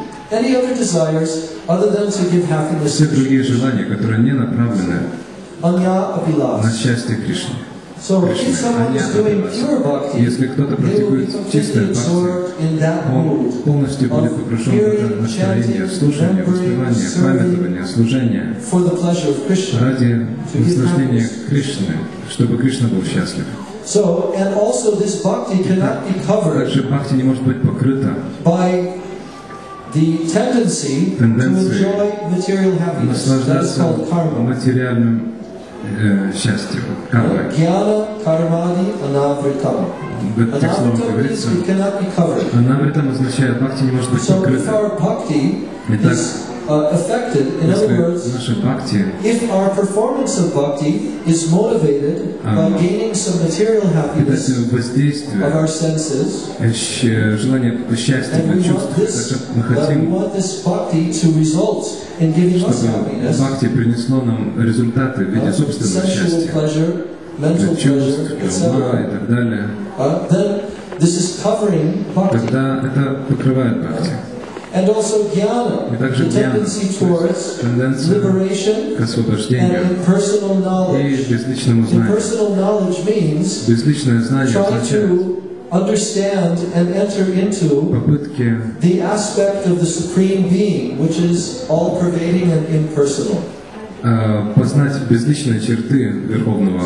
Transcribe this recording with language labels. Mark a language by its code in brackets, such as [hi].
[en] Any other desires other than to give happiness. [ru] Все другие желания, которые не направлены [sa] Anya Abhilash. [ru] На счастье Кришны. [en] So if someone is doing pure bhakti, they will be completely absorbed in that mood of hearing, chanting, remembering, serving for the pleasure of Krishna, [ru] ради наслаждения Кришны, чтобы Кришна был счастлив. [en] So, and also this bhakti cannot be covered. [ru] Также бхакти не может быть покрыта. [en] By the tendency to enjoy material happiness, that is called karma. [ru] Материальным счастье. [sa] Гьяна кармади анавритам. Анавритам [en] cannot be covered. [ru] Анавритам означает, бхакти не может быть покрыта. [en] So if our bhakti is affected, in other words, if our performance of bhakti is motivated by gaining some material happiness of our senses, [ru] желание счастья, [en] we want this bhakti to result in giving us happiness, [ru] бхакти принесло нам результаты в виде собственного счастья, [en] pleasure, mental pleasure, etc. Then this is covering bhakti. [ru] Тогда это покрывает бхакти. [en] And also jnana, the tendency towards liberation and personal knowledge. Impersonal knowledge means trying to understand and enter into the aspect of the Supreme Being, which is all-pervading and impersonal. [ru] Познать безличные черты Верховного.